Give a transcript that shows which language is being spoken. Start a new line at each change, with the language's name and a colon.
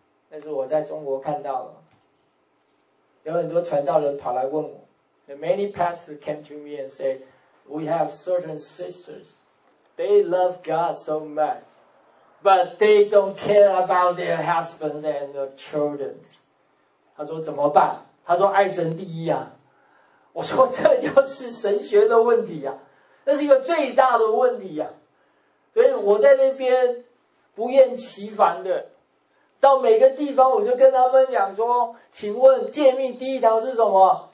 Chinese: 但是我在中国看到了，有很多传道人跑来问我。
English: The many pastors came to me and said, we have certain sisters. They love God so much, but they don't care about their husbands and their children.
Chinese: 他说怎么办？他说爱神第一啊。我说这就是神学的问题啊，这是一个最大的问题啊。所以我在那边不厌其烦的到每个地方，我就跟他们讲说，请问诫命第一条是什么？